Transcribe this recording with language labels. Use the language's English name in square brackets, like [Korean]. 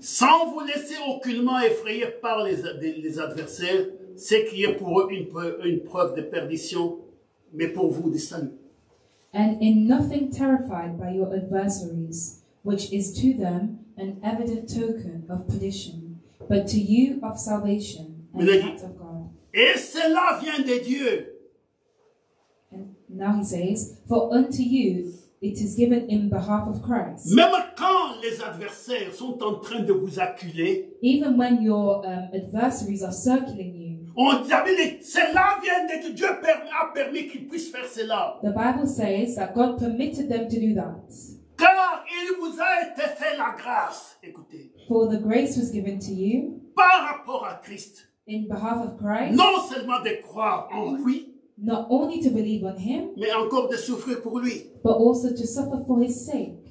[French] sans vous laisser aucunement effrayer par les adversaires, ce qui est pour eux une preuve de perdition, mais pour vous de salut. [English] And in nothing terrified by your adversaries, which is to them an evident token of perdition, but to you of salvation and the heart of God. [French] Et cela vient de Dieu. [English] And now he says, for unto you it is given in behalf of Christ. [French] Même quand les adversaires sont en train de vous acculer, [English] even when your adversaries are circling you, [French] on dit, cela vient de Dieu, a permis qu'ils puissent faire cela. [English] The Bible says that God permitted them to do that. [French] Car il vous a été fait la grâce, écoutez, [English] for the grace was given to you, [French] par rapport à Christ, [English] in behalf of Christ, [French] non seulement de croire en lui, [English] not only to believe on him, [French] mais encore de souffrir pour lui, [English] but also to suffer for his sake.